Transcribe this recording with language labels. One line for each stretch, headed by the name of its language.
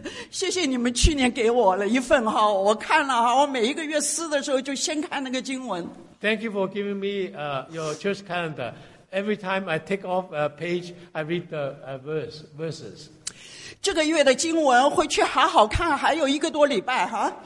Chinese: 谢谢你们去年给我了一份哈，我看了哈，我每一个月撕的时候就先看那个经文。
English: Thank you for giving me your church calendar. Every time I take off a page, I read the verses.
Chinese: 这个月的经文回去好好看，还有一个多礼拜哈。